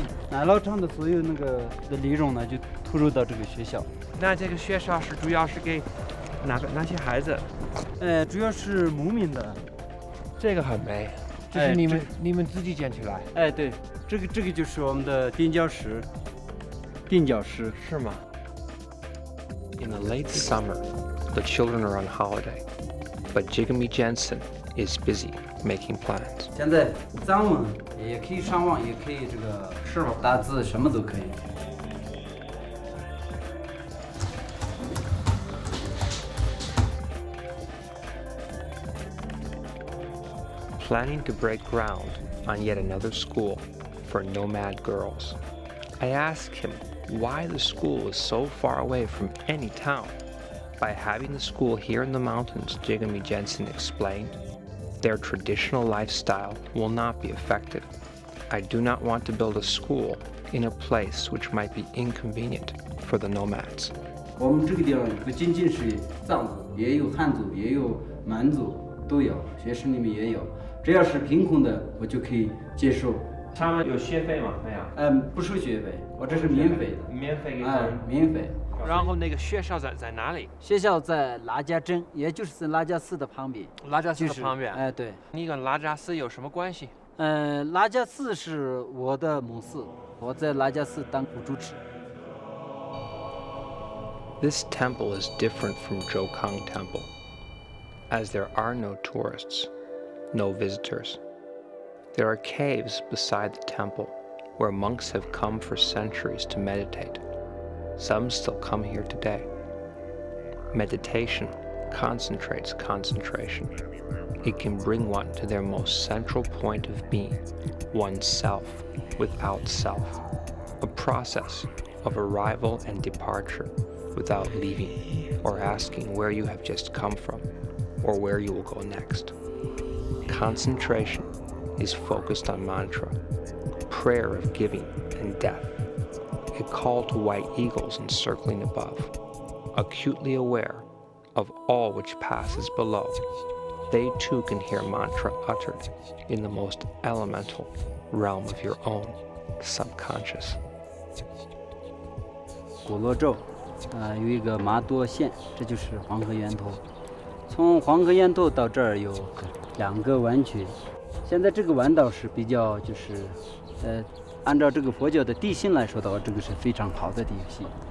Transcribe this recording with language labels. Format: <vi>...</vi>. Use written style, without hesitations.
<zh>奶酪厂的所有那个的利润呢，就投入到这个学校。那这个学校是主要是给哪些孩子？主要是牧民的。这个很美，这是你们自己建起来？对，这个就是我们的垫脚石。垫脚石是吗</zh> <en>？In the late summer, the children are on holiday, but Jigme Jensen is busy making plans.</en> <zh>现在咱们。也可以上网，也可以这个是吧？打字什么都可以。</zh> <en>Planning to break ground on yet another school for nomad girls, I ask him why the school is so far away from any town. By having the school here in the mountains, Jigme Jensen explained, their traditional lifestyle will not be affected. I do not want to build a school in a place which might be inconvenient for the nomads.</en> <zh>我们这个地方不仅仅是藏族，也有汉族，也有满族，都有学生里面也有。只要是贫困的，我就可以接受。他们有学费吗？没有。不收学费，我这是免费的。免费给他们。免费。然后那个学校在哪里？学校在拉加镇，也就是在拉加寺的旁边。拉加寺的旁边。对。你跟拉加寺有什么关系？拉加寺是我的母寺，我在拉加寺当古主持。</zh> <en>This temple is different from Jokang Temple, as there are no tourists, no visitors. There are caves beside the temple, where monks have come for centuries to meditate. Some still come here today. Meditation concentrates concentration. It can bring one to their most central point of being, oneself without self, a process of arrival and departure without leaving or asking where you have just come from or where you will go next. Concentration is focused on mantra, prayer of giving and death, a call to white eagles encircling above, acutely aware of all which passes below. They too can hear mantra uttered in the most elemental realm of your own subconscious.</en> <zh>古洛咒，有一个麻多县，这就是黄河源头。从黄河源头到这儿有两个弯曲。现在这个弯道是比较，就是，按照这个佛教的地心来说的话，这个是非常好的地形。</zh>